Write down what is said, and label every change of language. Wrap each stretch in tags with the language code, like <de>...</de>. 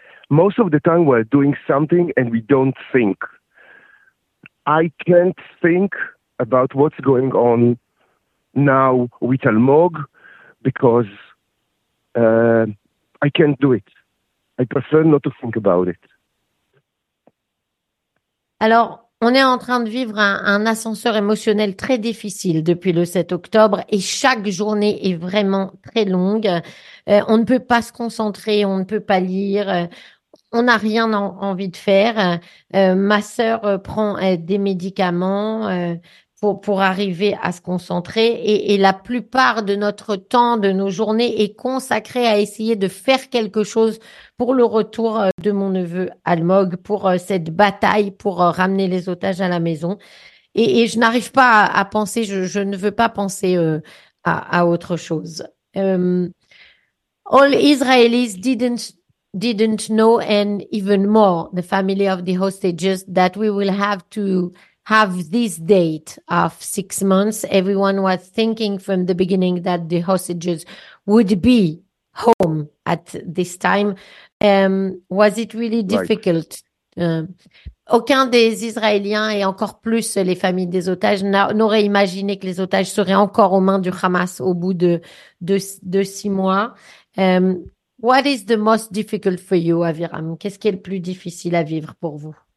<en>Most of the time we're doing something and we don't think. I can't think about what's going on now with Almog because I can't do it. I prefer not to think about it.</en> <fr>Alors, on est en train de vivre un ascenseur émotionnel très difficile depuis le 7 octobre et chaque journée est vraiment très longue. On ne peut pas se concentrer, on ne peut pas lire, on n'a rien envie de faire. Ma sœur prend des médicaments pour arriver à se concentrer et la plupart de notre temps, de nos journées, est consacré à essayer de faire quelque chose pour le retour de mon neveu Almog, pour cette bataille pour ramener les otages à la maison. Et je n'arrive pas à penser, je ne veux pas penser à autre chose.</fr> <en>All Israelis didn't know, and even more, the family of the hostages, that we will have this date of 6 months. Everyone was thinking from the beginning that the hostages would be home at this time. Was it really Right. difficult?</en> <fr>Aucun des Israéliens et encore plus les familles des otages n'auraient imaginé que les otages seraient encore aux mains du Hamas au bout de 6 mois.</fr> <en>What is the most difficult for you, Aviram?</en> <fr>Qu'est-ce qui est le plus difficile à vivre pour vous?</fr>